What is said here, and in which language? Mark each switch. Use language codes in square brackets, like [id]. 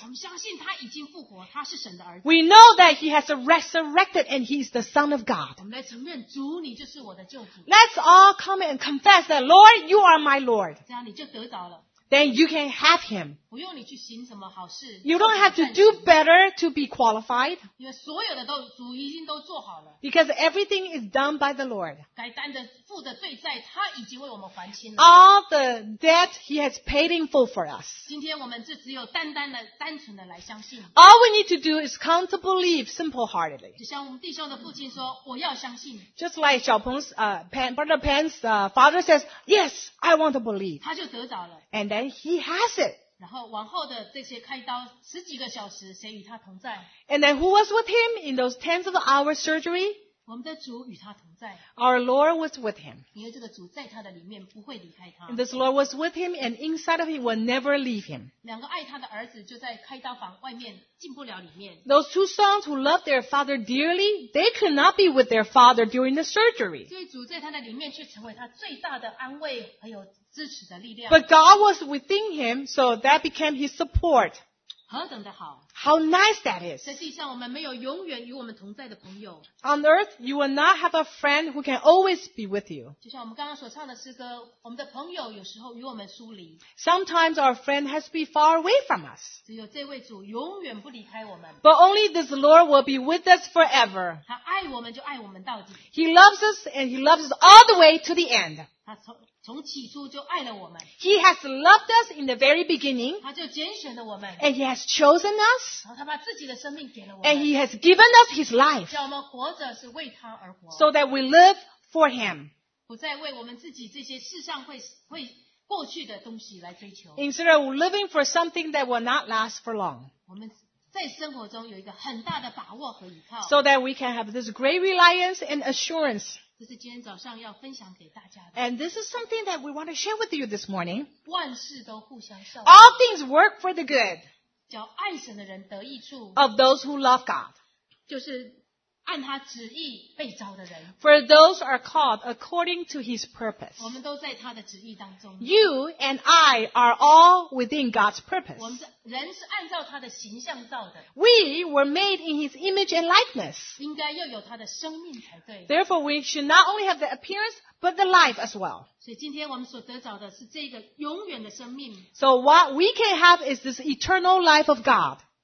[zh] 我们相信他已经复活，他是神的儿子。 [en] We know that he has resurrected and he is the Son of God. [zh] 我们来承认，主，你就是我的救主。 [en] Let's all come and confess that, Lord, you are my Lord. [zh] 这样你就得着了。 [en] Then you can have him. [zh] 不用你去行什么好事。 [en] You don't have to do better to be qualified. [zh] 因为所有的都主已经都做好了。 [en] Because everything is done by the Lord. [zh] 该担的负的罪债他已经为我们还清了。 [en] All the debt he has paid in full for us. [zh] 今天我们就只有单单的单纯的来相信。 [en] All we need to do is come to believe simple heartedly. [zh] 就像我们弟兄的父亲说我要相信。 [en] Just like 小鹏 Brother Pan's father says, yes, I want to believe. [zh] 他就得着了。 [en] And then he has it. [zh] 然后往后的这些开刀十几个小时谁与他同在。 [en] And then who was with him in those tens of hours surgery? [zh] 我们的主与他同在。 [en] Our Lord was with him. [zh] 因为这个主在他的里面不会离开他。 [en] And this Lord was with him and inside of him will never leave him. [zh] 两个爱他的儿子就在开刀房外面进不了里面。 [en] Those two sons who loved their father dearly, they could not be with their father during the surgery. [zh] 所以主在他的里面却成为他最大的安慰还有 [en] But God was within him, so that became his support. [zh] 何等的好。 [en] How nice that is. [zh] 在地上我们没有永远与我们同在的朋友。 [en] On earth, you will not have a friend who can always be with you. [zh] 就像我们刚刚所唱的诗歌，我们的朋友有时候与我们疏离。 [en] Sometimes our friend has to be far away from us. [zh] 只有这位主永远不离开我们。 [en] But only this Lord will be with us forever. [zh] 他爱我们就爱我们到底。 [en] He loves us and he loves us all the way to the end. [zh] 他从起初就爱了我们。 [en] He has loved us in the very beginning. [zh] 他就拣选了我们。 [en] And he has chosen us. [zh] 然后他把自己的生命给了我们。 [en] And he has given us his life. [zh] 叫我们活着是为他而活。 [en] So that we live for him. [zh] 不再为我们自己这些世上会过去的东西来追求。 [en] Instead of living for something that will not last for long. [zh] 我们在生活中有一个很大的把握和依靠。 [en] So that we can have this great reliance and assurance. [zh] 这是今天早上要分享给大家的。 [en] And this is something that we want to share with you this morning. [zh] 万事都互相效力。 [en] All things work for the good. [zh] 叫爱神的人得益处。 [en] Of those who love God. [zh] 就是按他旨意被召的人。 [en] For those are called according to his purpose. [zh] 我们都在他的旨意当中。 [en] You and I are all within God's purpose. [zh] 我们是人是按照他的形象造的。 [en] We were made in his image and likeness. [zh] 应该要有他的生命才对。 [en] Therefore, we should not only have the appearance, but the life as well. [zh] 所以今天我们所得着的是这个永远的生命。 [en] So what we can have is this eternal life of God.